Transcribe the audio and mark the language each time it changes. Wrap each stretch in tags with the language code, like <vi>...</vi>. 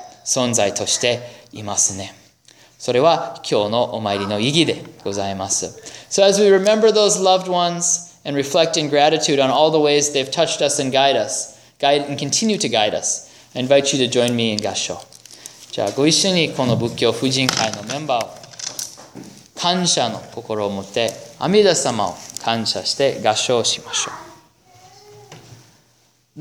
<ja>まあ、今日の仏教婦人会のメンバーが私たちと親しい仲間として、まあ、キッチンでいろんな仕事をしたり、スパムスビーとか、テリヤキチキンを作ったりすることがあったんですけど、その方々は今はもうお浄土の方にお浄して阿弥陀仏と一緒になっていますが、まだそのお浄土のところから私たちを正しい人生に導かれている存在としていますね。</ja> <en>So as we remember those loved ones and reflect in gratitude on all the ways they've touched us and guide us, guide and continue to guide us, I invite you to join me in Gassho.</en> <ja>じゃあご一緒にこの仏教婦人会のメンバーを感謝の心を持って阿弥陀様を感謝して合唱しましょう。</ja>